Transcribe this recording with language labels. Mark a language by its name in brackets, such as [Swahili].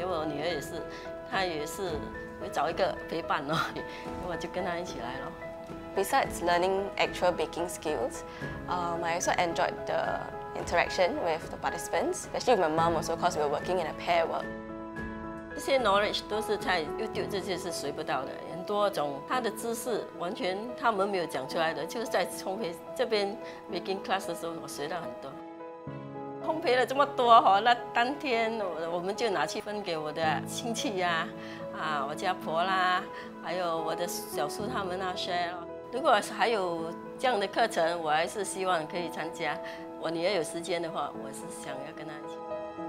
[Chinese] 就是我来学，因为反正都有兴趣嘛，又有时间，因为我女儿也是，她也是。 [English] Besides learning actual baking skills, I also enjoyed the interaction with the participants, especially with my mom also because we were working in a pair work. This knowledge is on YouTube, this is not possible. Many kinds of skills, they haven't even talked about it. Just in the baking class, I learned a lot. [Chinese] 烘焙了这么多，那当天我们就拿去分给我的亲戚呀、我家婆啦，还有我的小叔他们啊 share。如果还有这样的课程，我还是希望可以参加。我女儿有时间的话，我是想要跟她一起。